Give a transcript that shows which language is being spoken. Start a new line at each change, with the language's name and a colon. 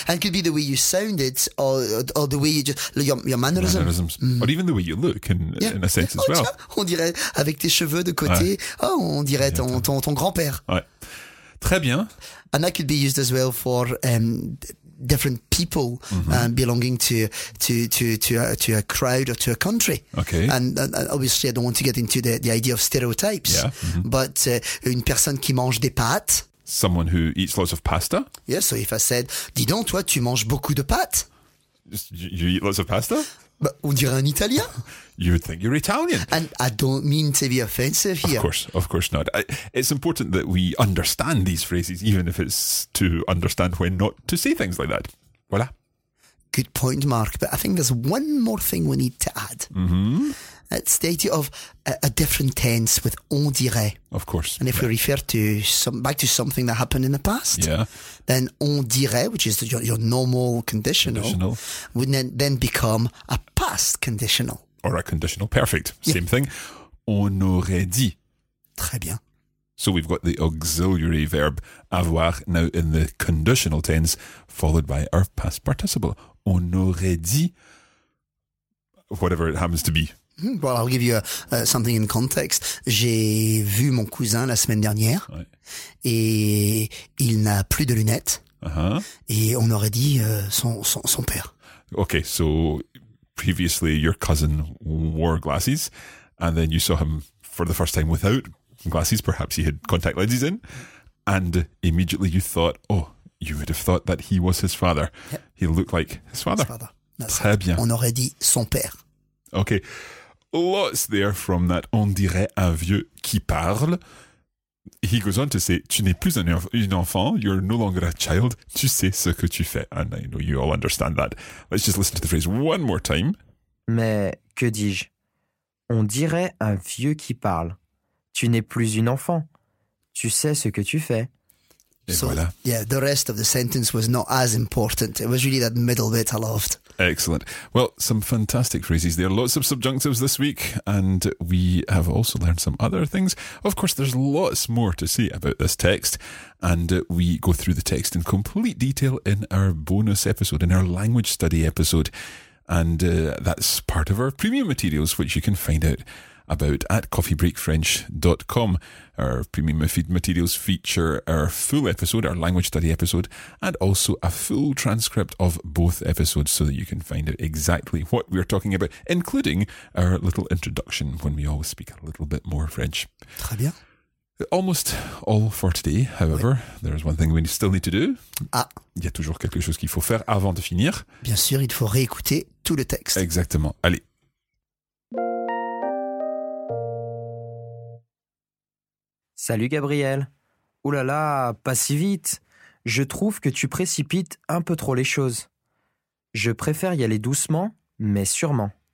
English: And it could be the way you sound it, or the way you just your mannerisms. Mm. Or even the way you look in a sense as well.
French: Tiens, on dirait avec tes cheveux de côté. Ouais. Oh, on dirait ton grand-père. Ouais. Très bien.
English: And that could be used as well for different people belonging to a crowd or to a country. Okay. And obviously, I don't want to get into the idea of stereotypes. Yeah. Mm-hmm.
French: But une personne qui mange des pâtes.
English: Someone who eats lots of pasta. Yeah, so if I said,
French: dis donc, toi, tu manges beaucoup de pâtes.
English: You eat lots of pasta?
French: Bah, on dirait un Italien.
English: You would think you're Italian. And I don't mean to be offensive here. Of course not. It's important that we understand these phrases, even if it's to understand when not to say things like that.
French: Voilà.
English: Good point, Mark. But I think there's one more thing we need to add. Mm-hmm. It's the idea of a different tense with on dirait. Of course. And if we refer to back to something that happened in the past, then on dirait, which is your normal conditional, would then become a past conditional. Or a conditional perfect. Same thing.
French: On aurait dit. Très bien.
English: So we've got the auxiliary verb avoir now in the conditional tense, followed by our past participle.
French: On aurait dit
English: whatever it happens to be. Well, I'll give you something in context.
French: J'ai vu mon cousin la semaine dernière et il n'a plus de lunettes. Uh-huh. Et on aurait dit son père.
English: Okay, so previously your cousin wore glasses and then you saw him for the first time without glasses. Perhaps he had contact lenses in. And immediately you thought, oh, you would have thought that he was his father. Yep. He looked like his father.
French: Très bien. On aurait dit son père.
English: Okay. Lots there from that
French: on dirait un vieux qui parle.
English: He goes on to say,
French: tu n'es plus un enfant,
English: you're no longer a child,
French: tu sais ce que tu fais.
English: And I know you all understand that. Let's just listen to the phrase one more time.
French: Mais que dis-je? On dirait un vieux qui parle. Tu n'es plus une enfant, tu sais ce que tu fais. Et so, voilà.
English: Yeah, the rest of the sentence was not as important. It was really that middle bit I loved. Excellent. Well, some fantastic phrases there. Lots of subjunctives this week, and we have also learned some other things. Of course, there's lots more to say about this text, and we go through the text in complete detail in our bonus episode, in our language study episode, and that's part of our premium materials, which you can find out about at coffeebreakfrench.com. Our premium feed materials feature our full episode, our language study episode, and also a full transcript of both episodes so that you can find out exactly what we're talking about, including our little introduction when we always speak a little bit more French.
French: Très bien.
English: Almost all for today, however, there is one thing we still need to do. Ah.
French: Il y a toujours quelque chose qu'il faut faire avant de finir. Bien sûr, il faut réécouter tout le texte. Exactement. Allez. Salut Gabriel. Ouh là là, pas si vite. Je trouve que tu précipites un peu trop les choses. Je préfère y aller doucement, mais sûrement.